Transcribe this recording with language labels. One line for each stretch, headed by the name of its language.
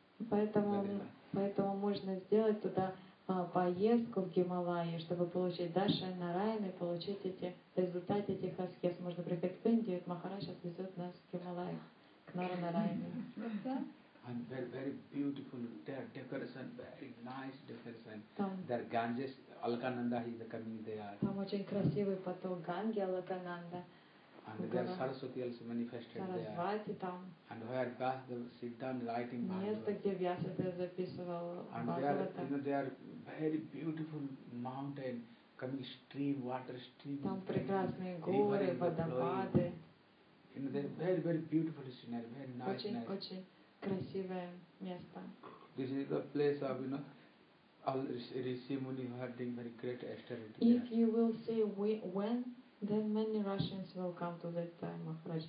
Russian: Поэтому можно сделать туда поездку в Гималайи, чтобы получить даршан Нараяны, получить эти результаты этих аскез. Можно приехать в Индию, и Махарадж отвезет нас в Гималайи к Нараяне.
English: And very, very beautiful decoration, very nice decoration. Their Ganges, Alakananda is coming there.
Russian: Там очень красивый поток Ганги, Алакананда.
English: And there Saraswati also manifested Sarasvati there. And where Vyas sit down writing Bhagavatam. And there very beautiful mountain, coming stream, water stream.
Russian: Там прекрасные горы, водопады.
English: You know, there very, very beautiful scenery, very nice.
Russian: Очень красивое место.
English: This is the place of, you know, all Rishi Muni who are doing very great austerity. If you will say when, then many Russians will come to that time, Maharaj.